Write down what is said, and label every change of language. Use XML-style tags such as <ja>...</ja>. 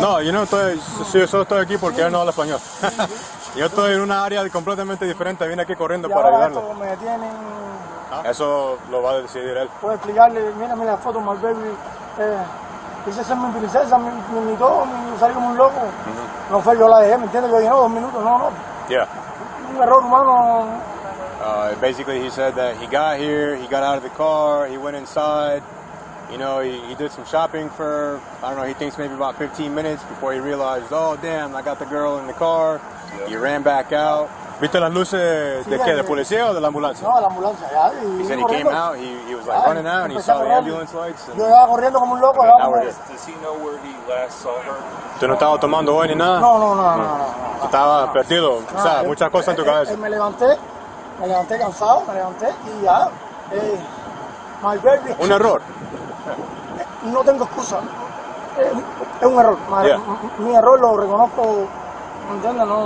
<es>No, yo solo estoy aquí porque él no habla español. Yo estoy en una área completamente diferente, vine aquí corriendo y para ayudarlo. Me detienen. ¿Ah? Eso lo va a decidir él. Puedo explicarle, mírame la foto,</es> <en>my baby.</en> <es>Dice, esa es mi princesa, mi todo, salí como un loco. Uh-huh. No fue, yo la dejé, ¿me entiendes? Yo dije, no, dos minutos, no.</es> <en>Yeah.</en> <es>Un error humano.</es> <en>Basically, he said that he got here, he got out of the car, he went inside. You know, he did some shopping for, I don't know, he thinks maybe about 15 minutes before he realized, oh, damn, I got the girl in the car. Yeah. He ran back out.</en> <es>¿Viste las luces de qué? ¿De policía o de la ambulancia? No, la ambulancia. Ya,</es> <en>he said corriendo. He came out, he was like running out, and he saw the ambulance lights.</en> <es>Yo estaba corriendo como un loco.</es> <en>Does he know where he last saw her?</en> <es>¿Tú no estabas tomando hoy ni nada? No. Estaba perdido. No, o sea, muchas cosas en tu cabeza. Me levanté cansado, me levanté y ya.</es> <en>My baby.</en> <es>Un error. No tengo excusa. Es un error.</es> <en>Yeah.</en> <es>Mi error lo reconozco. ¿Me entiendes? No,</es>